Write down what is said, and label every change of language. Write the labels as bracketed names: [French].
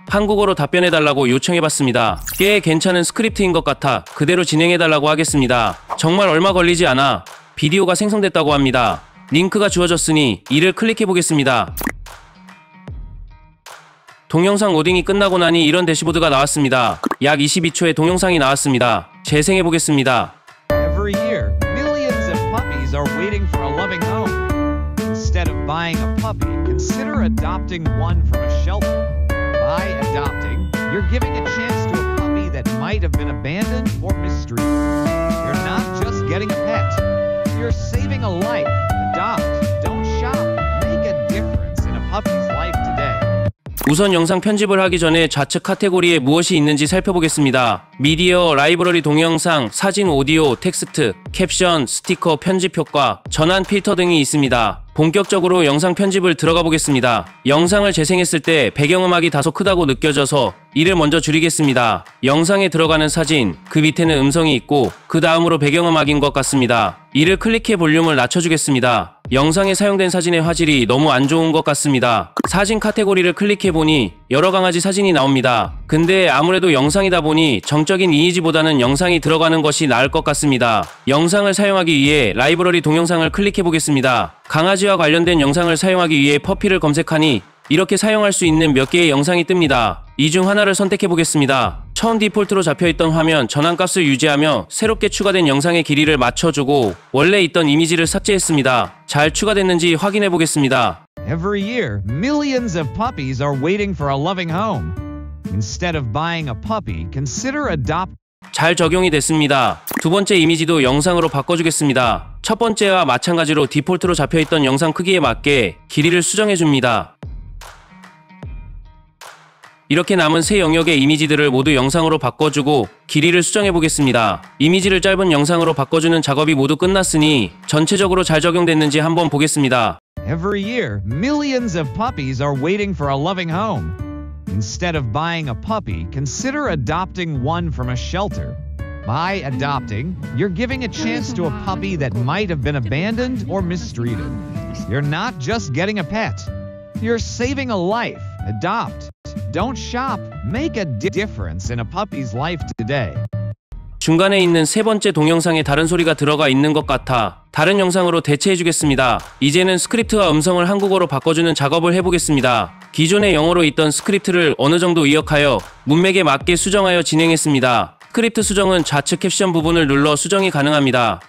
[Korean] 한국어로 답변해달라고 요청해봤습니다. 꽤 괜찮은 스크립트인 것 같아 그대로 진행해달라고 하겠습니다. 정말 얼마 걸리지 않아 비디오가 생성됐다고 합니다. 링크가 주어졌으니 이를 클릭해보겠습니다. 동영상 로딩이 끝나고 나니 이런 대시보드가 나왔습니다. 약 22초의 동영상이 나왔습니다. 재생해보겠습니다. [English] Every year, millions of puppies are waiting for a loving home. Instead of buying a puppy, consider adopting one from a shelter. By adopting, you're giving a chance to a puppy that might have been abandoned or mistreated. You're not just getting a pet. You're saving a life. Adopt. Don't shop. Make a difference in a puppy's life today. [Korean] 우선 영상 편집을 하기 전에 좌측 카테고리에 무엇이 있는지 살펴보겠습니다. 미디어, 라이브러리 동영상, 사진, 오디오, 텍스트, 캡션, 스티커, 편집 효과, 전환 필터 등이 있습니다. 본격적으로 영상 편집을 들어가 보겠습니다. 영상을 재생했을 때 배경음악이 다소 크다고 느껴져서 이를 먼저 줄이겠습니다. 영상에 들어가는 사진, 그 밑에는 음성이 있고 그 다음으로 배경음악인 것 같습니다. 이를 클릭해 볼륨을 낮춰주겠습니다. 영상에 사용된 사진의 화질이 너무 안 좋은 것 같습니다. 사진 카테고리를 클릭해 보니 여러 강아지 사진이 나옵니다. 근데 아무래도 영상이다 보니 정적인 이미지보다는 영상이 들어가는 것이 나을 것 같습니다. 영상을 사용하기 위해 라이브러리 동영상을 클릭해 보겠습니다. 강아지와 관련된 영상을 사용하기 위해 퍼피를 검색하니 이렇게 사용할 수 있는 몇 개의 영상이 뜹니다. 이 중 하나를 선택해 보겠습니다. 처음 디폴트로 잡혀있던 화면 전환값을 유지하며 새롭게 추가된 영상의 길이를 맞춰주고 원래 있던 이미지를 삭제했습니다. 잘 추가됐는지 확인해 보겠습니다. [English] Every year, millions of puppies are waiting for a loving home. Instead of buying a puppy, consider adopt. [Korean] 잘 적용이 됐습니다. 두 번째 이미지도 영상으로 바꿔주겠습니다. 첫 번째와 마찬가지로 디폴트로 잡혀있던 영상 크기에 맞게 길이를 수정해줍니다. 이렇게 남은 세 영역의 이미지들을 모두 영상으로 바꿔주고 길이를 수정해 보겠습니다. 이미지를 짧은 영상으로 바꿔주는 작업이 모두 끝났으니 전체적으로 잘 적용됐는지 한번 보겠습니다. [English] Every year, millions of puppies are waiting for a loving home. Instead of buying a puppy, consider adopting one from a shelter. By adopting, you're giving a chance to a puppy that might have been abandoned or mistreated. You're not just getting a pet. You're saving a life. Adopt. Don't shop. Make a difference in a puppy's life today. [Korean] 중간에 있는 세 번째 동영상에 다른 소리가 들어가 있는 것 같아 다른 영상으로 대체해 주겠습니다. 이제는 스크립트와 음성을 한국어로 바꿔주는 작업을 해보겠습니다. 기존의 영어로 있던 스크립트를 어느 정도 이어하여 문맥에 맞게 수정하여 진행했습니다. 스크립트 수정은 좌측 캡션 부분을 눌러 수정이 가능합니다.